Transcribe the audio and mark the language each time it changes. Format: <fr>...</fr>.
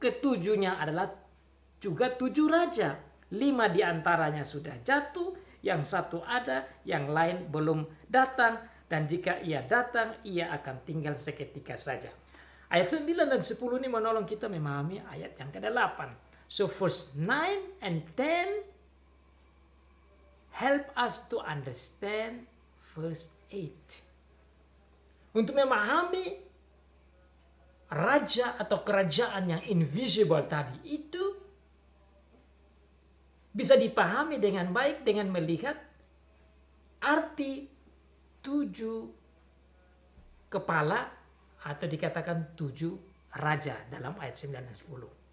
<id>Ketujuhnya adalah juga tujuh raja. Lima di antaranya sudah jatuh, yang satu ada, yang lain belum datang. Dan jika ia datang, ia akan tinggal seketika saja. Ayat 9 dan 10 ini menolong kita memahami ayat yang ke-8.</id> <en>So verse 9 and 10 help us to understand verse 8.</en> <id>Untuk memahami raja atau kerajaan yang invisible tadi itu bisa dipahami dengan baik dengan melihat arti tujuh kepala atau dikatakan tujuh raja dalam ayat 9 dan 10.</id>